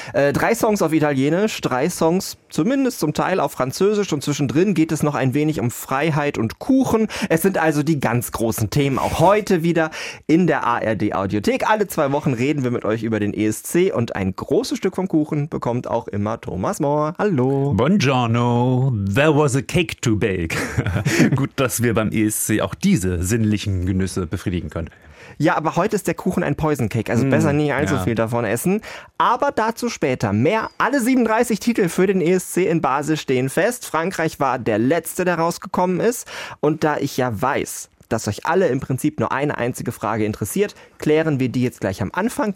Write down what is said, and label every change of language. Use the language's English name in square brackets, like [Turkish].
[German] Drei Songs auf Italienisch, drei Songs zumindest zum Teil auf Französisch und zwischendrin geht es noch ein wenig um Freiheit und Kuchen. Es sind also die ganz großen Themen auch heute wieder in der ARD Audiothek. Alle zwei Wochen reden wir mit euch über den ESC und ein großes Stück vom Kuchen bekommt auch immer Thomas Mohr. Hallo. [Italian] Buongiorno, [English] there was a cake to bake. [German] Gut, dass wir beim ESC auch diese sinnlichen Genüsse befriedigen können. Ja, aber heute ist der Kuchen ein Poison Cake, also besser nie allzu viel davon essen. Aber dazu später mehr. Alle 37 Titel für den ESC in Basel stehen fest. Frankreich war der letzte, der rausgekommen ist. Und da ich ja weiß, dass euch alle im Prinzip nur eine einzige Frage interessiert, klären wir die jetzt gleich am Anfang.